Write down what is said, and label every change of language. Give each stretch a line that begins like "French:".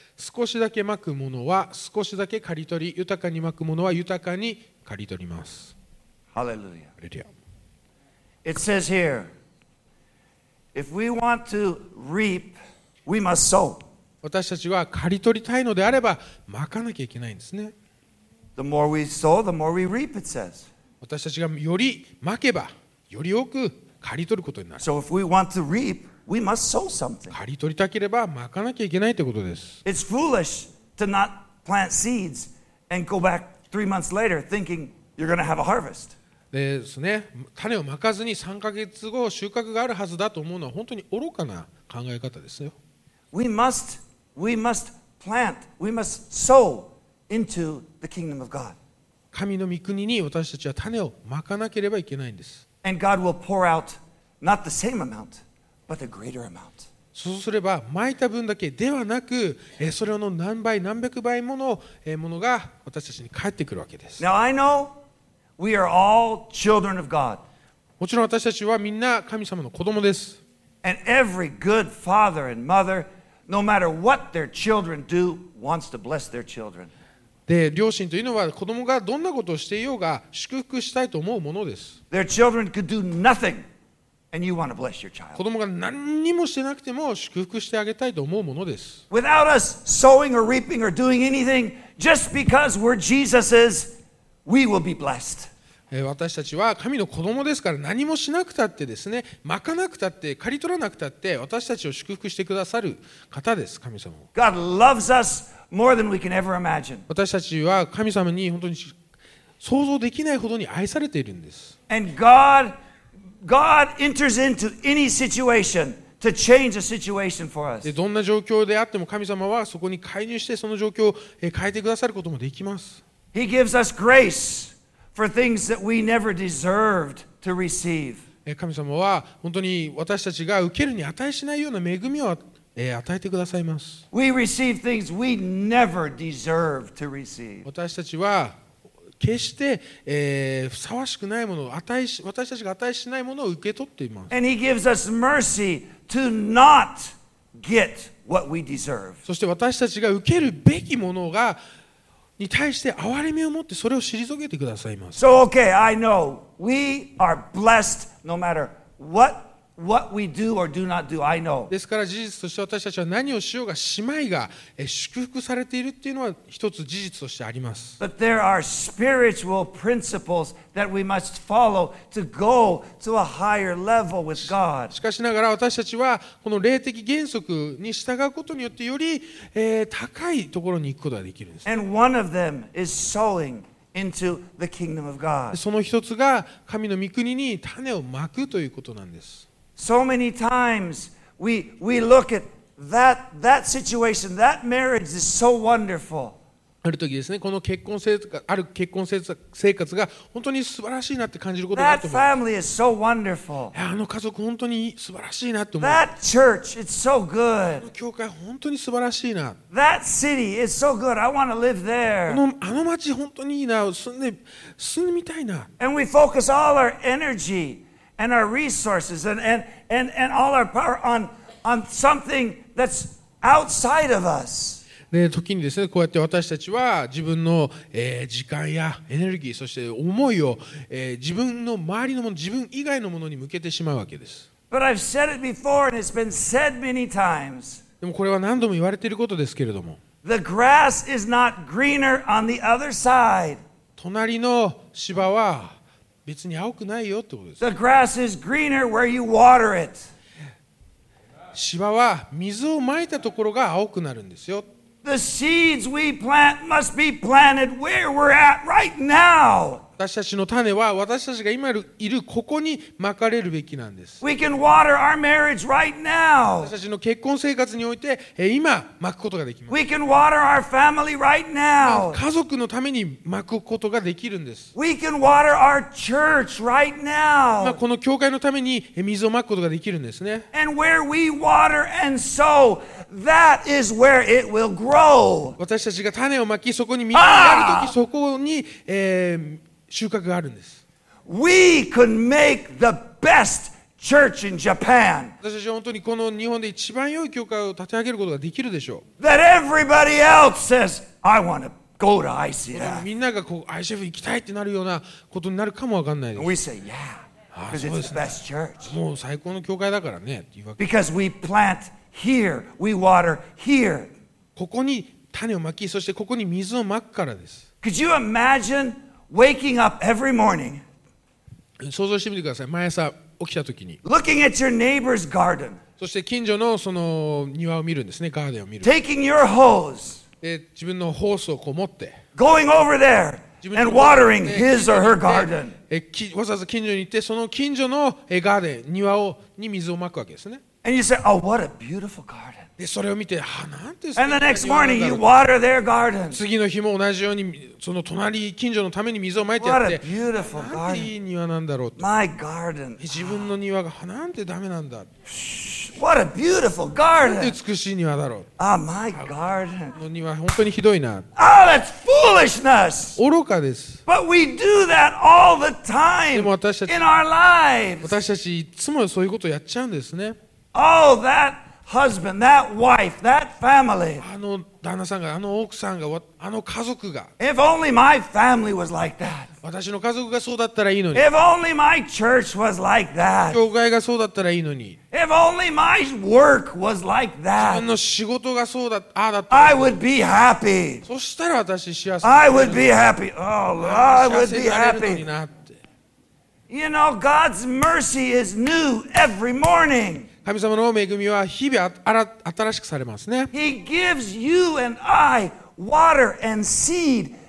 Japanese: 少しだけまくものは少しだけ刈り取り、豊かにまくものは豊かに刈り取ります。ハレルヤ。ハレルヤ。
English: It says here, if we want to reap, we must sow.
Japanese: 私たちは刈り取りたいのであれば、まかなきゃいけないんですね。
English: The more we sow, the more we reap, it says.
Japanese: 私たちがよりまけば、より多く刈り取ることになる。
English: So if we want to reap, we must sow something.
Japanese: 刈り取りたければ、まかなきゃいけないということです。
English: It's foolish to not plant seeds and go back three months later thinking you're going to have a harvest.
Japanese: ですね。種をまかずに3ヶ月後収穫があるはずだと思うのは本当に愚かな考え方ですよ。
English: We must plant, we must sow into the kingdom of God.
Japanese: 神の御国に私たちは種をまかなければいけないんです。
English: And God will pour out not the same amount, but a greater amount.
Japanese: そうすれば撒いた分だけではなく、それの何倍何百倍ものものが私たちに返ってくるわけです。
English: Now I know we are all children of God.
Japanese: もちろん私たちはみんな神様の子供です。
English: And every good father and mother, no matter what their children do, wants to bless their children.
Japanese: で、両親というのは子供がどんなことをしていようが祝福したいと思うものです。
English: Their children could do nothing. And you want to bless your child.
Japanese: 子供が何にもしてなくても祝福してあげたいと思うものです。
English: Without us sowing or reaping or doing anything, just because we're Jesus's, we will be blessed.
Japanese: 私たちは神の子供ですから何もしなくたってですね、まかなくたって、刈り取らなくたって、私たちを祝福してくださる方です、神様。
English: God loves us more than we can ever imagine.
Japanese: 私たちは神様に本当に想像できないほどに愛されているんです。
English: And God enters into any situation to change a situation for us.
Japanese: どんな状況であっても神様はそこに介入してその状況を変えてくださることもできます。
English: He gives us grace for things that we never deserved to receive.
Japanese: 神様は本当に私たちが受けるに値しないような恵みを与えてくださいます。
English: We receive things we never deserved to receive.
Japanese: 私たちは決して、ふさわしくないものを私たちが値しないものを受け取っています。
English: And he gives us mercy to not get what we deserve.
Japanese: そして私たちが受けるべきものがに対して憐れみを持ってそれを退けてくださいます。
English: So okay, I know we are blessed no matter what we do or do not do. I know.
Japanese: ですから事実として私たちは何をしようがしまいが祝福されているっていうのは一つ事実としてあります。
English: But there are spiritual principles that we must follow to go to a higher level with God.
Japanese: しかしながら私たちはこの霊的原則に従うことによってより、高いところに行くことができるんです。
English: And one of them is sowing. Into the kingdom of God.
Japanese: その一つが神の御国に種をまくということなんです。
English: So many times we look at that situation, that marriage is so wonderful.
Japanese: ある時ですね、この結婚生活、ある結婚生活が本当に素晴らしいなって感じることがあると思う。
English: That family is so wonderful.
Japanese: いや、あの家族本当に素晴らしいなって思う。
English: That church, it's so good.
Japanese: この教会本当に素晴らしいな。
English: That city is so good. I want to live there.
Japanese: あの街本当にいいな。住んでみたいな。
English: And we focus all our energy and our resources and all our power on something that's outside of us.
Japanese: で時にですね、こうやって私たちは自分の、時間やエネルギー、そして思いを、自分の周りのもの、自分以外のものに向けてしまうわけです。
English: But I've said it before and it's been said many times.
Japanese: でもこれは何度も言われていることですけれども。
English: The grass is not greener on the other side.
Japanese: 隣の芝は別に青くないよってことです。
English: The grass is greener where you water it.
Japanese: 芝は水をまいたところが青くなるんですよ。
English: The seeds we plant must be planted where we're at right now.
Japanese: 私たちの種は私たちが今いるここにまかれるべきなんです。
English: We can water our marriage right now.
Japanese: 私たちの結婚生活において今まくことができます。
English: We can water our family right now.
Japanese: 家族のためにまくことができるんです。
English: We can water our church right now.
Japanese: 今この教会のために水をまくことができるんですね。
English: And where we water and sow. That is where it will grow.
Japanese: 私たちが種をまき、そこに実があるとき、そこに、収穫があるんです。
English: We could make the best church in Japan.
Japanese: 私たちは本当にこの日本で一番良い教会を立て上げることができるでしょう。
English: That everybody else says, I want to go to ICF.
Japanese: みんながこう ICF 行きたいってなるようなことになるかもわかんないです。
English: We say, yeah, because it's the best church.
Japanese: もう最高の教会だからねって言うわけ。
English: Because we plant. Here we water here.
Japanese: ここに種をまき、そしてここに水をまくからです。
English: Could you imagine waking up every morning?
Japanese: 想像してみてください。毎朝起きたときに。
English: Looking at your neighbor's garden.
Japanese: そして近所のその庭を見るんですね。ガーデンを見る。
English: Taking your hose.
Japanese: で自分のホースをこう持って。
English: Going over there and watering his or her garden.
Japanese: わざわざ近所に行ってその近所のガーデン庭をに水をまくわけですね。
English: And you say, oh, what a beautiful garden.
Japanese: でそれを見て、ああ、なんて。
English: And the next morning, you water their garden.
Japanese: 次の日も同じようにその隣近所のために水をまいてやって。
English: What a beautiful garden.
Japanese: なんていい庭なんだろうと。
English: My garden.
Japanese: 自分の庭がなんてダメなんだ。
English: What a beautiful garden.
Japanese: なんて美しい庭だろう。
English: Ah, my garden.
Japanese: の庭本当にひどいな。
English: Oh, that's foolishness.
Japanese: 愚かです。
English: But we do that all the time in our lives.
Japanese: 私たちいつもそういうことをやっちゃうんですね。
English: Oh, that husband, that wife, that family.
Japanese: あの旦那さんが、あの奥さんが、あの家族が。
English: If only my family was like that.
Japanese: 私の家族がそうだったらいいのに。
English: If only my church was like that.
Japanese: 教会がそうだったらいいのに。
English: If only my work was like that.
Japanese: 自分の仕事がそうだ、ああだったら。
English: I would be happy.
Japanese: そしたら私幸せになるのに。
English: I would be happy. Oh, Lord, I would be happy. You know, God's mercy is new every morning.
Japanese: 神様の恵みは日々新しくされますね。
English: He gives you and I water and seed.